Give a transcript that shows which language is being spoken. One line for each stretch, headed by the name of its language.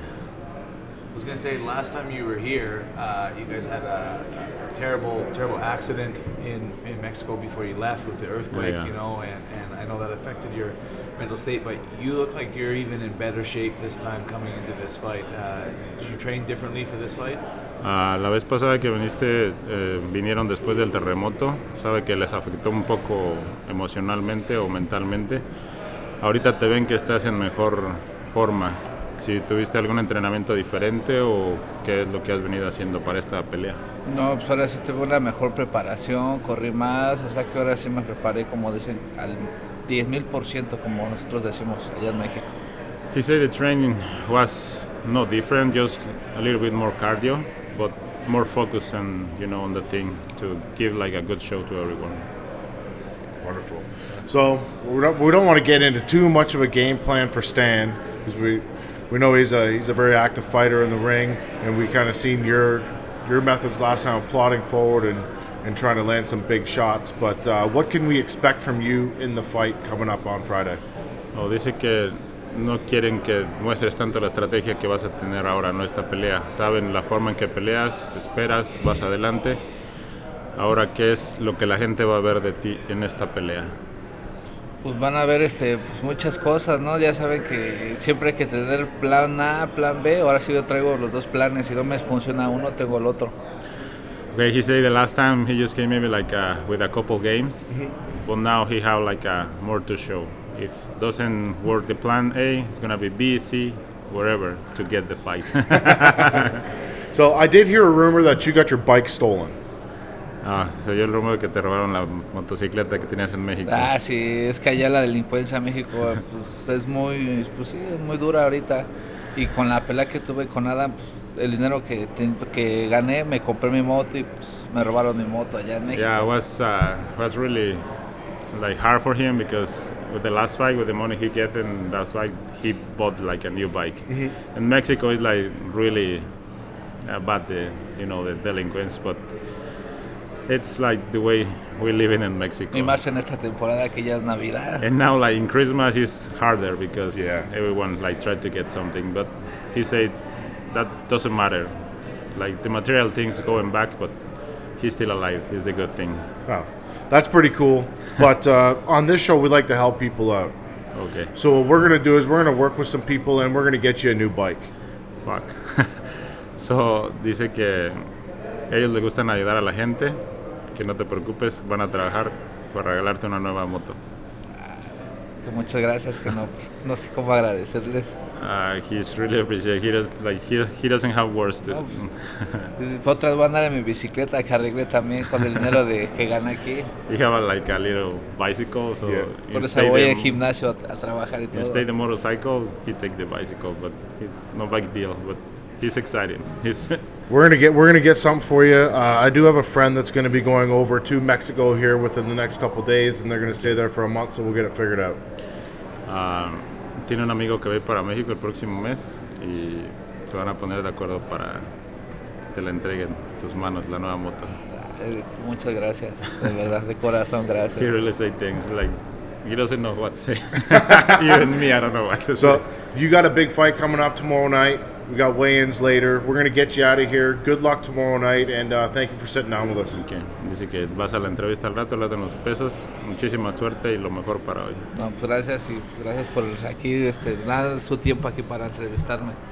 English: I was going to say, last time you were here, you guys had a terrible, terrible accident in Mexico before you left with the earthquake, yeah. You know, and I know that affected your mental state, but you look like you're even in better shape this time coming into this fight. Did you train differently for this fight?
Spanish: La vez pasada que viniste, vinieron después del terremoto, sabe que les afectó un poco emocionalmente o mentalmente. Ahorita te ven que estás en mejor forma. Si tuviste algún entrenamiento diferente o qué es lo que has venido haciendo para esta pelea. No, pues ahora sí tuve una mejor preparación, corrí más, o sea que ahora sí me preparé como dicen al 10,000%, como nosotros decimos allá en México.
English: He said the training was no different, just a little bit more cardio, but more focus and, you know, on the thing to give like a good show to everyone. Wonderful. So we don't want to get into too much of a game plan for Stan, because we know he's a very active fighter in the ring, and we kind of seen your methods last time of plodding forward and trying to land some big shots. But what can we expect from you in the fight coming up on Friday?
Spanish: Oh, dice que no quieren que muestres tanto la estrategia que vas a tener ahora en esta pelea. Saben la forma en que peleas, esperas, vas adelante. Ahora, ¿qué es lo que la gente va a ver de ti en esta pelea? Pues van a ver pues muchas cosas, ¿no? Ya saben que siempre hay que tener plan A, plan B. Ahora sí yo traigo los dos planes. Si no me funciona uno, tengo el otro.
English: Okay, he said the last time he just came maybe like with a couple games. Mm-hmm. But now he have like more to show. If doesn't work the plan A, it's going to be B, C, whatever, to get the fight. So I did hear a rumor that you got your bike stolen.
Spanish: Ah, se oyó el rumor de que te robaron la motocicleta que tenías en México. Ah, sí, es que allá la delincuencia en México, pues es muy, pues sí, es muy dura ahorita. Y con la pelea que tuve con Adam, pues el dinero que gané, me compré mi moto y pues me robaron mi moto allá en México.
English: Yeah, it was really like hard for him, because with the last fight, with the money he get, and that's why he bought like a new bike. Mm-hmm. In Mexico it's like really bad, the delinquents, but it's like the way we live in Mexico.
Spanish: Y más en esta temporada que ya es Navidad.
English: And now, like in Christmas, it's harder because everyone like tried to get something. But he said that doesn't matter. Like the material things going back, but he's still alive. It's a good thing. Wow, that's pretty cool. But on this show, we like to help people out. Okay. So what we're gonna do is we're gonna work with some people and we're gonna get you a new bike. Fuck.
Spanish: So dice que ellos les gustan ayudar a la gente, que no te preocupes, van a trabajar para regalarte una nueva moto. Muchas gracias, que no sé cómo agradecerles.
English: He's really appreciated. He doesn't have words to.
Spanish: Otras voy a andar en mi bicicleta que arreglé también con el dinero de que gana aquí.
English: You have a little bicycle, so
Spanish: por eso voy al gimnasio a trabajar y todo.
English: Instead the motorcycle, he take the bicycle, but it's no big deal. But he's excited. We're gonna get something for you. I do have a friend that's gonna be going over to Mexico here within the next couple days, and they're gonna stay there for a month, so we'll get it figured out.
Spanish: Tiene un amigo que va para México el próximo mes, y se van a poner de acuerdo para que le entreguen tus manos la nueva moto. Muchas gracias, de verdad, de corazón, gracias.
English: He really say things like he doesn't know what to say. Even me, I don't know what to say. So you got a big fight coming up tomorrow night. We got weigh-ins later. We're going to get you out of here. Good luck tomorrow night, and thank you for sitting down with us. Okay.
Spanish: Dice que vas a la entrevista al rato, le dan los pesos. Muchísima suerte y lo mejor para hoy. No, gracias y gracias por aquí, dar su tiempo aquí para entrevistarme.